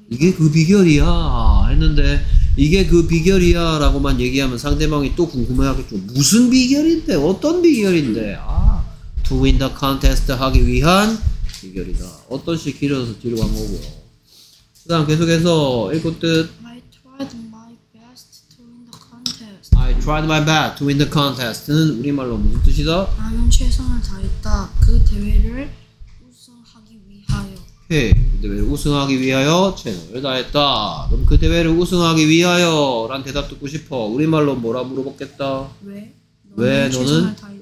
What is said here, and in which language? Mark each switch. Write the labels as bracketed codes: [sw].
[ko] 이게 그 비결이야 했는데 이게 그 비결이야 라고만 얘기하면 상대방이 또 궁금해하겠죠. 무슨 비결인데? 어떤 비결인데? 아, [en] to win the contest [ko] 하기 위한 비결이다. 어떤 시 길어져서 뒤로 간 거고요. 그 다음 계속해서 읽고 뜻 [en] I tried my best to win the contest. I tried my best to win the contest는 [ko] 우리말로 무슨 뜻이다? 나는 최선을 다했다. 그 대회를 우승하기 위하여. 오케이. 그 대회를 우승하기 위하여 최선을 다했다. 그럼 그 대회를 우승하기 위하여 라는 대답 듣고 싶어. 우리말로 뭐라 물어보겠다? 왜? 왜 너는? 최선을 다했니?